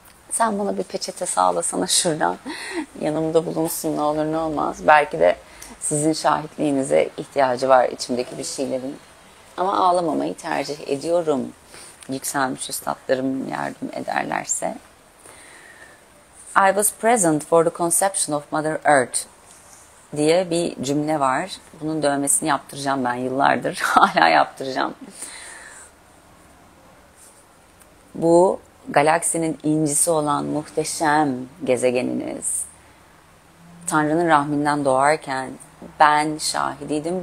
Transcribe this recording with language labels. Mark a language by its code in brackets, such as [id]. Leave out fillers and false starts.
[tr] Sen bana bir peçete sağla, sana şuradan yanımda bulunsun ne olur ne olmaz. Belki de sizin şahitliğinize ihtiyacı var içimdeki bir şeylerin. Ama ağlamamayı tercih ediyorum. Yükselmiş üstadlarım yardım ederlerse. [en] I was present for the conception of Mother Earth [tr] diye bir cümle var. Bunun dövmesini yaptıracağım ben yıllardır. Hala yaptıracağım. Bu galaksinin incisi olan muhteşem gezegeniniz. Tanrı'nın rahminden doğarken ben şahidiydim.